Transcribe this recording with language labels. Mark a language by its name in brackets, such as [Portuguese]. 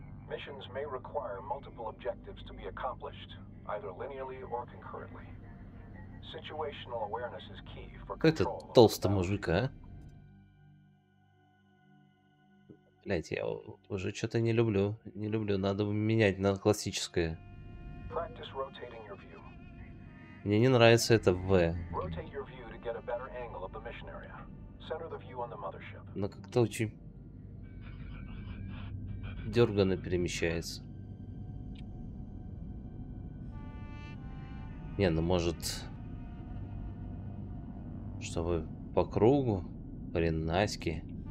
[English] Missions may require multiple objectives to be accomplished, either linearly or concurrently. Situational awareness is key for control. [Russian] Какой-то толстый мужик, а? Блять, я уже что-то не люблю. Не люблю, надо менять на классическое. [English] Practice rotating your view. [Russian] Мне не нравится это V. [English] Rotate your view to get a better angle of the mission area. Center the view on the mothership. [Russian] Но как-то очень... дерганно перемещается. Не, ну может, чтобы по кругу, блин, наськи.